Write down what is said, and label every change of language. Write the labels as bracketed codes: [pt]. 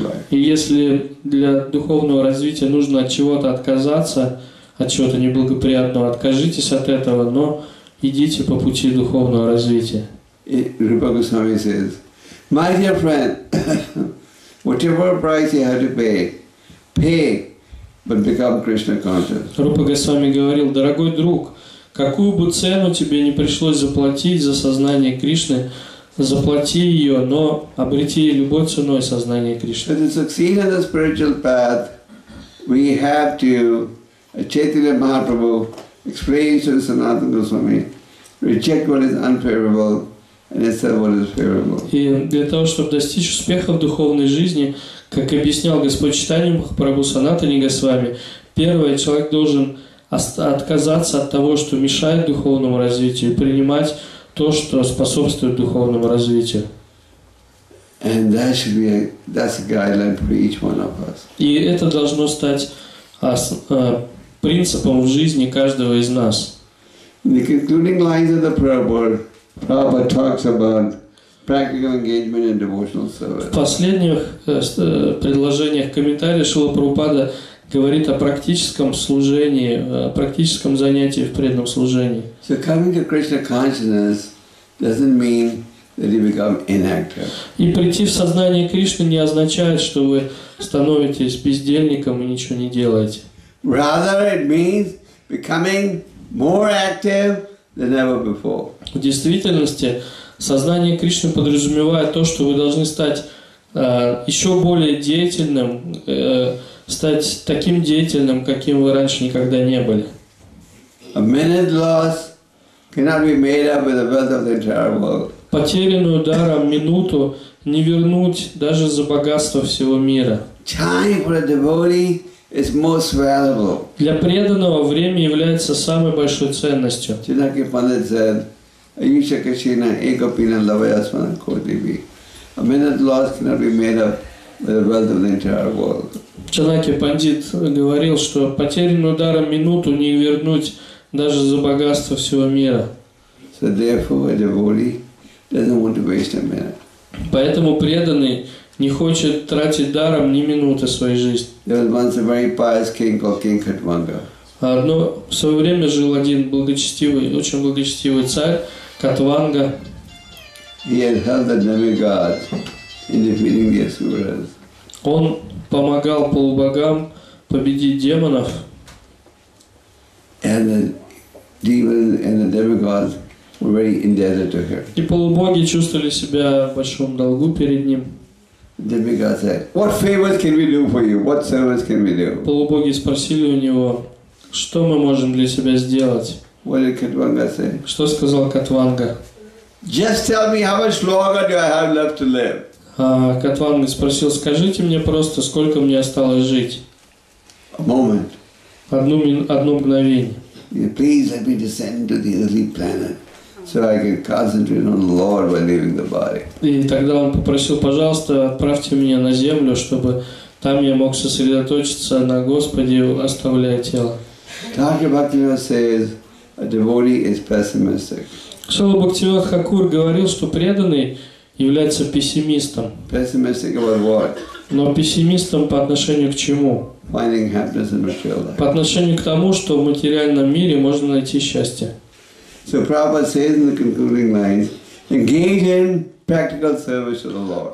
[ru] И если для духовного развития нужно от чего-то отказаться, от чего-то неблагоприятного, откажитесь от этого, но идите по пути духовного развития. [en] Rupa Goswami says, my dear friend, whatever price you have to pay, pay, but become Krishna conscious. [ru] Rupa Goswami говорил, дорогой друг, какую бы цену тебе не пришлось заплатить за сознание Кришны, заплати ее, но обрети любой ценой сознание Кришны. [en] To succeed in the spiritual path, we have to, Chaitanya Mahaprabhu explains to Sanatana Goswami, reject what is unfavorable and accept what is favorable. [ru] И для того, чтобы достичь успеха в духовной жизни, как объяснял Господь Чайтанья Махапрабху Санатане Госвами, первое, человек должен отказаться от того, что мешает духовному развитию, принимать то, что способствует духовному развитию. [en] And that should be that's a guideline for each one of us. [ru] И это должно стать принципом в жизни каждого из нас. [en] In the concluding lines of the Prabhupada, Prabhupada talks about practical engagement and devotional service. [ru] В последних предложениях комментария Шрила Прабхупада говорит о практическом служении, о практическом занятии в преданном служении. [en] So coming to Krishna consciousness doesn't mean that you become inactive. [ru] И прийти в сознание Кришны не означает, что вы становитесь бездельником и ничего не делаете. [en] Rather, it means becoming more active than ever before. [ru] В действительности, сознание Кришны подразумевает то, что вы должны стать еще более деятельным, стать таким деятельным, каким вы раньше никогда не были. [en] A minute lost cannot be made up with the wealth of the entire world. [ru] Потерянную даром минуту не вернуть даже за богатство всего мира. [en] Time for a devotee is most valuable. [ru] Для преданного время является самой большой ценностью. [en] Chinaki Pandit said, Ayusha Kashina, Ekopina, Lavayasmana, Kodibi. A minute lost cannot be made up with the wealth of the entire world. [ru] Чанаки Пандит говорил, что потерянную даром минуту не вернуть даже за богатство всего мира. [en] So therefore, a devotee doesn't want to waste a minute. [ru] Поэтому преданный не хочет тратить даром ни минуты своей жизни. [en] There was once a very pious king called King Katvanga. [ru] Одно в свое время жил один благочестивый, очень благочестивый царь Катванга. [en] He had helped the demigods in defeating the asuras. [ru] Он помогал полубогам победить демонов. [en] And the demon and the demigod were very indebted to her. [ru] И полубоги чувствовали себя в большом долгу перед ним. [en] Demigod said, "What favors can we do for you? What service can we do?" [ru] Полубоги спросили у него, что мы можем для себя сделать? [en] What did Katvanga say? [ru] Что сказал Катванга? [en] Just tell me how much longer do I have left to live? [ru] Катванга спросил, скажите мне просто, сколько мне осталось жить? [en] A moment. [ru] Одно мгновение. [en] Please let me descend to the earthly planet. So I can concentrate on the Lord while leaving the body. [ru] И тогда он попросил, пожалуйста, отправьте меня на землю, чтобы там я мог сосредоточиться на Господе, оставляя тело. [en] Dr. Bhaktivinoda says a devotee is pessimistic. [ru] Шрила Бхактивинода Хакур говорил, что преданный является пессимистом. [en] Pessimistic about what? [ru] Но пессимистом по отношению к чему? [en] Finding happiness in material life. [ru] По отношению к тому, что в материальном мире можно найти счастье. [en] So Prabhupada says in the concluding lines, engage in practical service to the Lord.